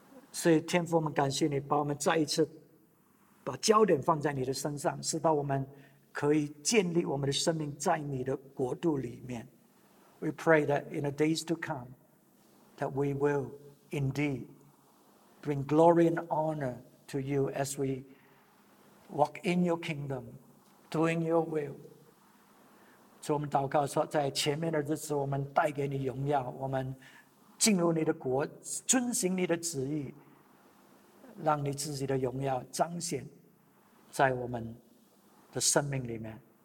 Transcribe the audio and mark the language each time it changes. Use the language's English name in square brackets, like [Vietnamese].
[Chinese] 所以天父，我们感谢你，把我们再一次把焦点放在你的身上，使到我们可以建立我们的生命在你的国度里面。 [English] We pray that in the days to come, that we will indeed bring glory and honor to you as we walk in your kingdom, doing your will. [Chinese] 所以我们祷告说，在前面的日子，我们带给你荣耀，我们进入你的国，遵行你的旨意，让你自己的荣耀彰显在我们的生命里面。